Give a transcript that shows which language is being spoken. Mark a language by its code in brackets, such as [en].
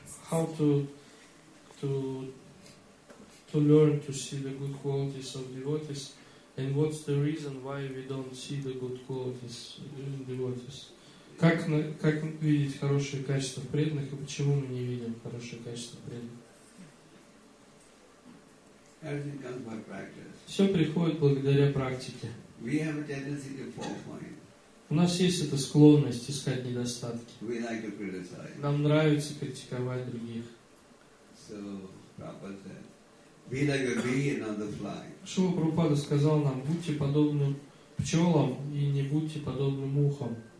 [en] How to learn to see the good qualities of devotees, and what's the reason why we don't see the good qualities in devotees? [ru] Как видеть хорошие качества преданных и почему мы не видим хорошие качества преданных? [en] Everything comes by practice. [ru] Все приходит благодаря практике. [en] We have a tendency to fall point. [ru] У нас есть эта склонность искать недостатки. [en] We like to criticize. [ru] Нам нравится критиковать других. [en] So, Prabhupada said, be like a bee and not the fly. [ru] Шрила Прабхупада сказал нам, будьте подобны пчелам и не будьте подобны мухам.